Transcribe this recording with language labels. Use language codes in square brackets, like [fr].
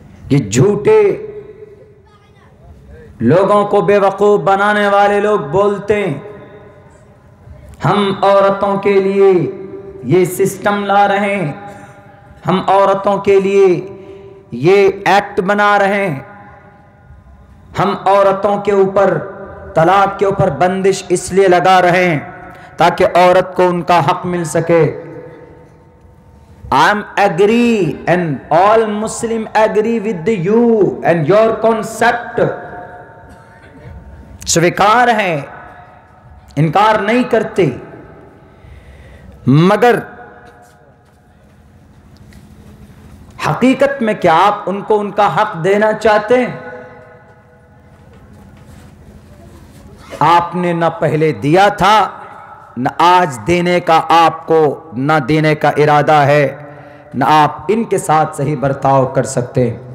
[ur] یہ جھوٹے لوگوں کو بے وقوف بنانے والے لوگ بولتے ہیں ہم عورتوں کے لیے یہ سسٹم لا رہے ہیں, ہم عورتوں کے لیے یہ ایکٹ بنا رہے ہیں, ہم عورتوں کے اوپر طلاق کے اوپر بندش اس لیے لگا رہے ہیں تاکہ عورت کو ان کا حق مل سکے. [en] I'm agree and all Muslim agree with you and your concept. [ur] سویکار ہے, انکار نہیں کرتے, مگر حقیقت میں کیا آپ ان کو ان کا حق دینا چاہتے ہیں؟ آپ نے نہ پہلے دیا تھا نہ آج دینے کا آپ کو نہ دینے کا ارادہ ہے, نہ آپ ان کے ساتھ صحیح برتاؤ کر سکتے ہیں.